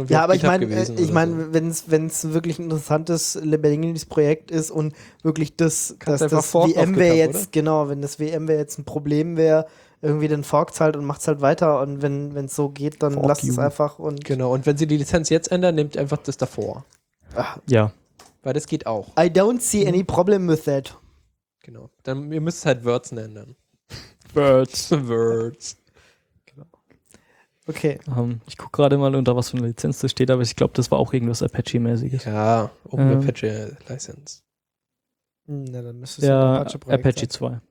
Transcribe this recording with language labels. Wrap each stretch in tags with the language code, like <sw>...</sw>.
<de>ein Wirklichkeit gewesen. Ja, aber ich meine, wenn es wirklich ein interessantes lebendiges Projekt ist und wirklich wenn das VMware jetzt ein Problem wäre, irgendwie den Fork zahlt und macht es halt weiter und wenn es so geht, dann lasst es einfach. Und genau, und wenn sie die Lizenz jetzt ändern, nehmt einfach das davor. Ach. Ja. Weil das geht auch.</de> <en>I don't see any problem with that.</en> <de>Genau, dann ihr müsst halt Words nennen. Words. Genau. Okay. Ich gucke gerade mal, unter was für eine Lizenz das steht, aber ich glaube, das war auch irgendwas Apache-mäßiges. Ja, Open Apache License. Na, dann müsstest du ja Apache 2.</de>